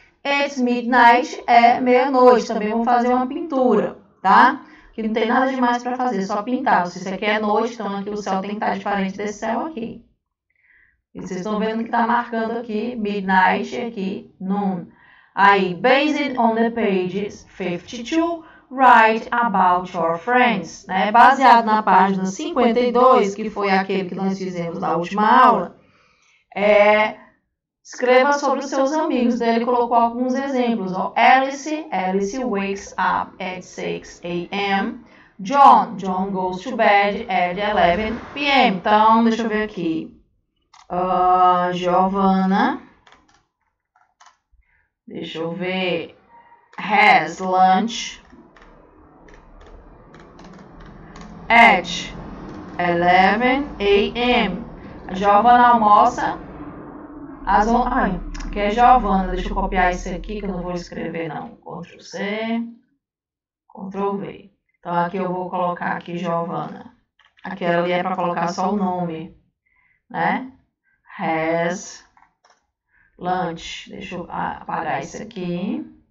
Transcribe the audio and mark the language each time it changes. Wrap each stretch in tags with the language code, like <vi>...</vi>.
<en>It's midnight</en> <pt>é meia-noite. Também vamos fazer uma pintura, tá? Que não tem nada demais para fazer, só pintar. Se isso aqui é noite, então aqui o céu tem que estar diferente desse céu aqui. E vocês estão vendo que está marcando aqui midnight e aqui noon.</pt> <en>Aí, based on the pages 52, write about your friends.</en> <pt>Né? Baseado na página 52, que foi aquele que nós fizemos na última aula, escreva sobre os seus amigos. Daí ele colocou alguns exemplos.</pt> <en>Ó. Alice wakes up at 6 a.m. John goes to bed at 11 p.m.</en> <pt>Então, deixa eu ver aqui.</pt> <en>Giovanna,</en> <pt>deixa eu ver,</pt> <en>has lunch at 11 a.m.</en> <pt>Giovanna almoça às 11. Ai, que é Giovanna, deixa eu copiar isso aqui que eu não vou escrever não. Ctrl C, Ctrl V. Então aqui eu vou colocar aqui Giovanna. Aquela ali é para colocar só o nome, né?</pt> <en>Has lunch.</en> <pt>Deixa eu apagar isso aqui.</pt>